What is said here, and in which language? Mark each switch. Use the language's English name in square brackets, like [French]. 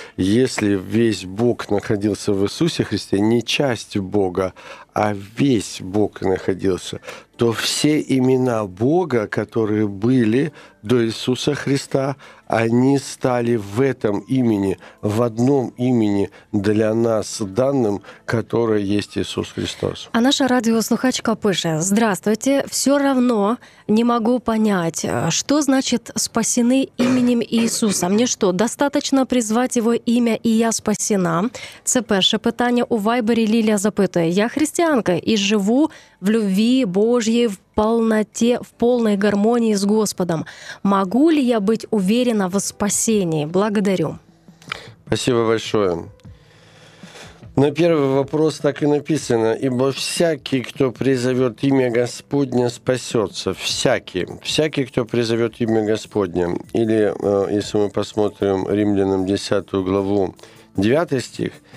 [Russian] Если весь Бог находился в Иисусе Христе, не часть Бога, а весь Бог находился, то все имена Бога, которые были до Иисуса Христа, они стали в этом имени, в одном имени для нас данным, которое есть Иисус Христос. А наша радиослухачка пишет: «Здравствуйте, все равно не могу понять, что значит спасены именем Иисуса. Мне что, достаточно призвать Его имя, и я спасена?» [Ukrainian] Це перше питання у Вайбері. Лілія запитує: «Я християнка і живу [Russian] в любви Божьей, в полной гармонии с Господом. Могу ли я быть уверена в спасении? Благодарю». Спасибо большое. На первый вопрос так и написано: «Ибо всякий, кто призовет имя Господне, спасется». Всякий. Всякий, кто призовет имя Господне. Или, если мы посмотрим Римлянам 10 главу, 9 стих.